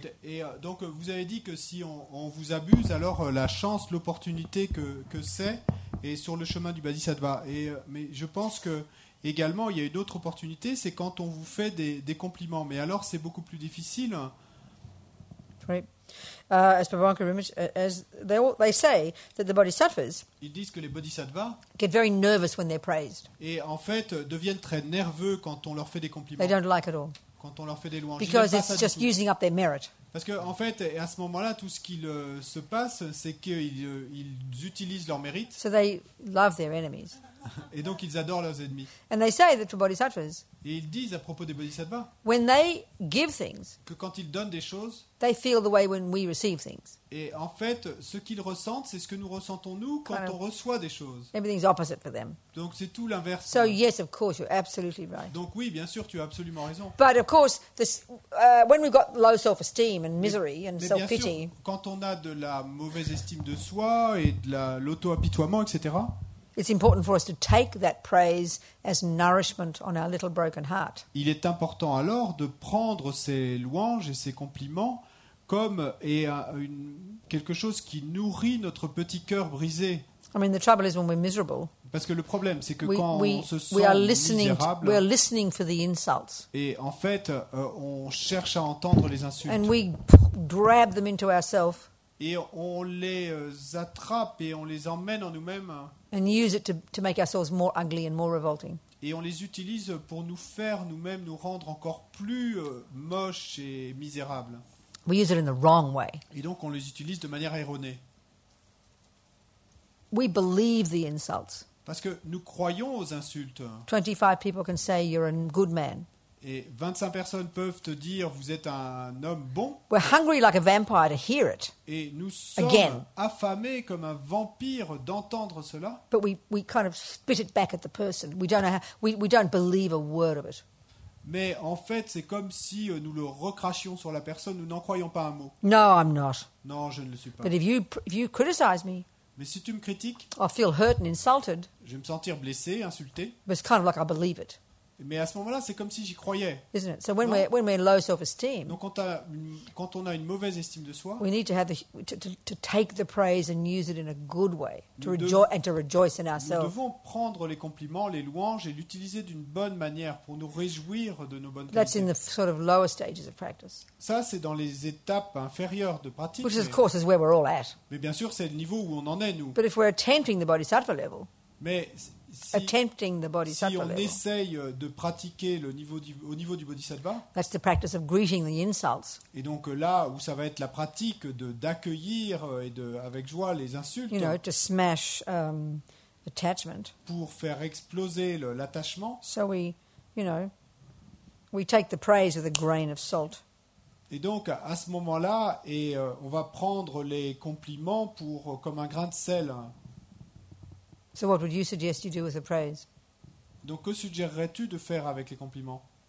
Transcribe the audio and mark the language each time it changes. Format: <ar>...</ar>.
<fr>Et donc vous avez dit que si on vous abuse, alors la chance, l'opportunité que c'est est sur le chemin du bodhisattva. Et, mais je pense que également il y a une autre opportunité, c'est quand on vous fait des compliments. Mais alors c'est beaucoup plus difficile.</fr> <en>Right. As Prabhupada Rinpoche, as they say that the bodhisattvas,</en> <fr>ils disent que les bodhisattvas</fr> <en>get very nervous when they're praised.</en> <fr>Et en fait deviennent très nerveux quand on leur fait des compliments.</fr> <en>They don't like it all.</en> <fr>Quand on leur fait des louanges.</fr> <en>Because it's just using up their merit.</en> <fr>Parce que en fait, à ce moment-là, tout ce qui se passe, c'est qu'ils utilisent leur mérite.</fr> <en>So they love their enemies.</en> <fr>Et donc ils adorent leurs ennemis.</fr> <en>And they say that for bodhisattvas.</en> <fr>Et ils disent à propos des bodhisattvas.</fr> <en>When they give things.</en> <fr>Que quand ils donnent des choses.</fr> <en>They feel the way when we receive things.</en> <fr>Et en fait, ce qu'ils ressentent, c'est ce que nous ressentons nous quand on reçoit des choses.</fr> <en>Everything's opposite for them.</en> <fr>Donc c'est tout l'inverse.</fr> <en>So yes, of course, you're absolutely right.</en> <fr>Donc oui, bien sûr, tu as absolument raison.</fr> <en>But of course, this when we've got low self-esteem and misery and self-pity.</en> <fr>Mais bien sûr, quand on a de la mauvaise estime de soi et de l'auto-apitoiement, etc.</fr> <en>It's important for us to take that praise as nourishment on our little broken heart.</en> <fr>Il est important alors de prendre ces louanges et ces compliments comme quelque chose qui nourrit notre petit cœur brisé.</fr> <en>I mean, the trouble is when we're miserable.</en> <fr>Parce que le problème, c'est que quand on se sent misérable,</fr> <en>we are listening for the insults.</en> <fr>Et en fait, on cherche à entendre les insultes.</fr> <en>And we grab them into ourselves.</en> <fr>Et on les attrape et on les emmène en nous-mêmes.</fr> <en>And use it to make ourselves more ugly and more revolting.</en> <fr>Et on les utilise pour nous faire nous-mêmes nous rendre encore plus moches et misérables.</fr> <en>We use it in the wrong way.</en> <fr>Et donc on les utilise de manière erronée.</fr> <en>We believe the insults.</en> <fr>Parce que nous croyons aux insultes.</fr> <en>25 people can say you're a good man.</en> <fr>Et 25 personnes peuvent te dire vous êtes un homme bon.</fr> <en>We're hungry like a vampire to hear it.</en> <fr>Et nous sommes again. Affamés comme un vampire d'entendre cela.</fr> <en>But we kind of spit it back at the person. We don't know how, we don't believe a word of it.</en> <fr>Mais en fait, c'est comme si nous le recrachions sur la personne, nous n'en croyons pas un mot.</fr> <en>No, I'm not.</en> <fr>Non, je ne le suis pas.</fr> <en>But if you criticize me.</en> <fr>Mais si tu me critiques.</fr> <en>I feel hurt and insulted.</en> <fr>Je vais me sentir blessé, insulté.</fr> <en>But it's kind of like I believe it.</en> <fr>Mais à ce moment-là, c'est comme si j'y croyais.</fr> <en>Isn't it? So when we're low self-esteem.</en> <fr>Donc quand on a une mauvaise estime de soi.</fr> <en>We need to have to take the praise and use it in a good way to rejoice in ourselves.</en> <fr>Nous devons prendre les compliments, les louanges et l'utiliser d'une bonne manière pour nous réjouir de nos bonnes qualités.</fr> <en>That's in the sort of lower stages of practice.</en> <fr>Ça c'est dans les étapes inférieures de pratique.</fr> <en>Which of course is where we're all at.</en> <fr>Mais bien sûr, c'est le niveau où on en est nous.</fr> <en>But if we're attempting the bodhisattva level.</en> <fr>Mais</fr> <en>attempting the bodhisattva</en> <fr>level. Si on essaye de pratiquer au niveau du bodhisattva,</fr> <en>that's the practice of greeting the insults.</en> <fr>Et donc là où ça va être la pratique d'accueillir et de avec joie les insultes.</fr> <en>You know, to smash attachment.</en> <fr>Pour faire exploser l'attachement.</fr> <en>So we take the praise with a grain of salt.</en> <fr>Et donc à ce moment-là, et on va prendre les compliments pour comme un grain de sel.</fr> <en>So what would you suggest you do with the praise?</en> <fr>Donc que suggérerais-tu de faire avec les compliments?</fr>